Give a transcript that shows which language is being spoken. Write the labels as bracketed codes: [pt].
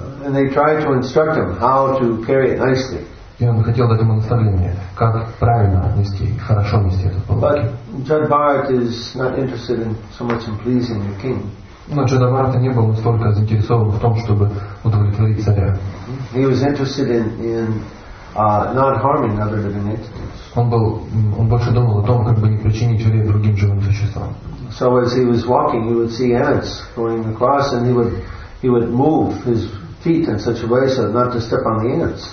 [en] And they tried to instruct him how to carry it nicely. [ru] И он хотел дать ему наставление, как правильно нести, хорошо нести этот палок. [en] Jada Bharat is not interested in so much in pleasing the king. [ru] Но Jada Bharat не был настолько заинтересован в том, чтобы удовлетворить царя. [en] He was interested in not harming other living entities. [ru] Он больше думал о том, как бы не причинить вред другим живым существам. [en] So as he was walking, he would see ants going across, and he would move his feet in such a way so not to step on the ants.